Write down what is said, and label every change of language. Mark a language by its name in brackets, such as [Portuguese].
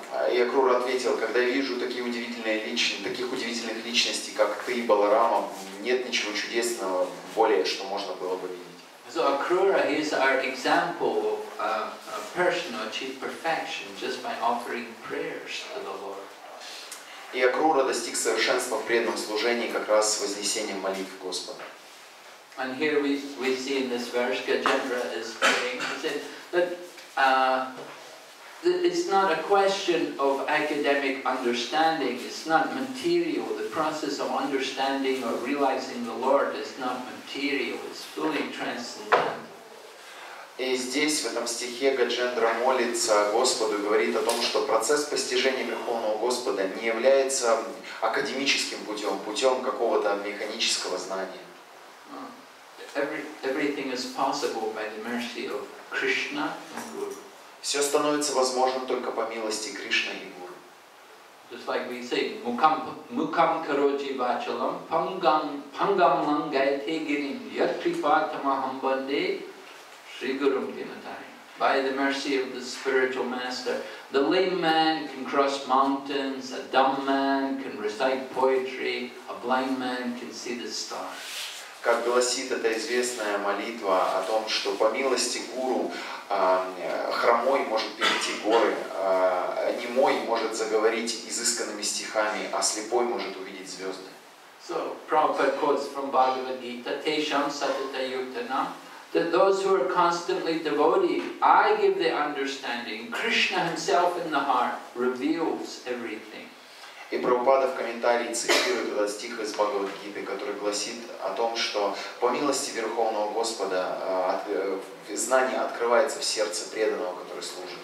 [Russian] И Акрура ответил: когда я вижу таких удивительных личностей, как ты и Баларама, нет ничего чудесного более, что можно было бы видеть. [English] So Akrura, he is our example of a person who achieved perfection just by offering prayers to the Lord. [Russian] И Акрура достиг совершенства в преданном служении как раз с вознесением молитв Господа. [English] And here we see in this verse Gajendra is praying. He said that it's not a question of academic understanding. It's not material. The process of understanding or realizing the Lord is not material. It's fully transcendental. [Russian] И здесь в этом стихе Гаджендра молится Господу и говорит о том, что процесс постижения Верховного Господа не является академическим путем, путем какого-то механического знания. [English] Everything is possible by the mercy of Krishna and Guru. [Russian] Все становится возможным только по милости Кришны и Гуру. [English] Just like we say, [Sanskrit] mukam karoti vachalam pangam langayate girim yat kripatam aham bande Sri Gurum Dhimatai. [English] By the mercy of the spiritual master, the lame man can cross mountains, a dumb man can recite poetry, a blind man can see the stars. [Russian] Как гласит эта известная молитва о том, что по милости гуру хромой может перейти горы, немой может заговорить изысканными стихами, а слепой может увидеть звезды. [English] So, Prabhupada quotes from Bhagavad Gita, [Sanskrit] Tesham Satata Yutanam, [English] that those who are constantly devoted, I give the understanding, Krishna himself in the heart reveals everything. [Russian] И Прабхупада в комментарии цитирует этот стих из Бхагавад-гиты, который гласит о том, что по милости Верховного Господа знание открывается в сердце преданного, который служит